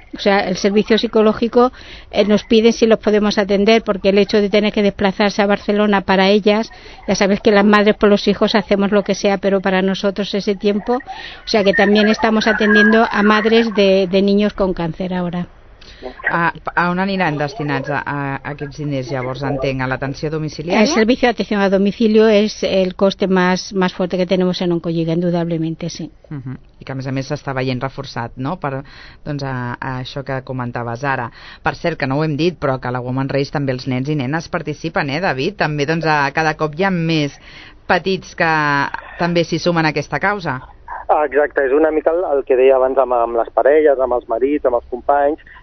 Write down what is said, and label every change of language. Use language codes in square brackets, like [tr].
[es] O sea, el servicio psicológico nos piden si los podemos atender, porque el hecho de tener que desplazarse a Barcelona para ellas, ya sabes que las madres por los hijos hacemos lo que sea, pero para nosotros ese tiempo, o sea que también estamos atendiendo a madres de niños con cáncer ahora. [ca] A on aniran destinats a aquests diners, llavors, entenc, a l'atenció domiciliària? [es] El servicio de atención a domicilio es el coste más fuerte que tenemos en un colliga, indudablemente, sí. [ca] Uh-huh. I que, a més, s'està veient reforçat, no?, per, doncs, a això que comentaves ara. Per cert, que no ho hem dit, però que a la Woman Race també els nens i nenes participen, David? També, doncs, cada cop hi ha més petits que també s'hi sumen a aquesta causa. Exacte, és una mica el que deia abans amb les parelles, amb els marits, amb els companys.